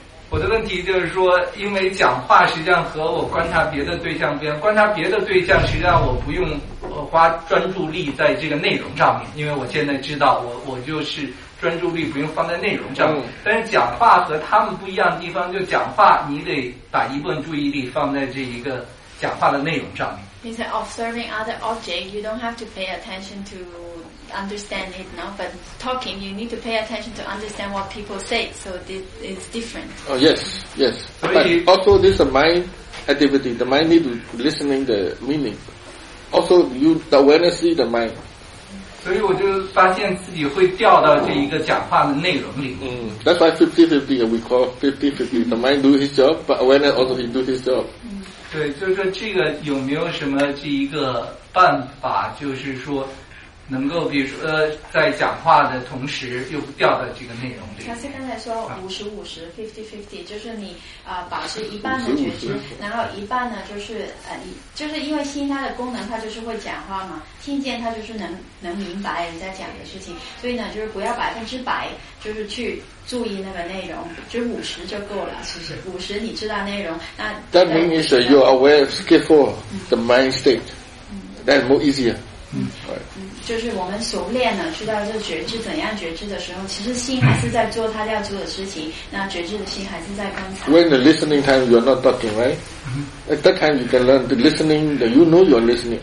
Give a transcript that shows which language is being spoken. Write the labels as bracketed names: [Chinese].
[Chinese] 我的问题就是说，因为讲话实际上和我观察别的对象不一样，观察别的对象实际上我不用花专注力在这个内容上面，因为我现在知道我就是专注力不用放在内容上面。但是讲话和他们不一样的地方，就讲话你得把一部分注意力放在这一个讲话的内容上面。 [English] He said, observing other objects, you don't have to pay attention to understand it, no? But talking, you need to pay attention to understand what people say, so it's different. Oh, yes, yes. But also, this is a mind activity. The mind needs to listen to the meaning. Also, the awareness is the mind. [Chinese] 所以我就发现自己会掉到这一个讲话的内容里。 [English] That's why 50-50, we call 50-50. The mind do his job, but awareness also he do his job. [Chinese] 对，就是说这个有没有什么这一个办法，就是说能够比如说在讲话的同时又不掉到这个内容里。他是刚才说50-50 50-50, 就是你保持一半的觉知，然后一半呢就是因为心它的功能它就是会讲话嘛，听见它就是能明白人家讲的事情，所以呢就是不要100%就是去注意那个内容，就是50就够了，其实50你知道内容，那 [English] That means you're aware of skillful the mind state. That's more easier. Right. [Chinese] 就是我们熟练了知道这觉知怎样觉知的时候，其实心还是在做他要做的事情，那觉知的心还是在观察。 [English] When the listening time you're not talking, right? At that time you can learn the listening, that you know you're listening.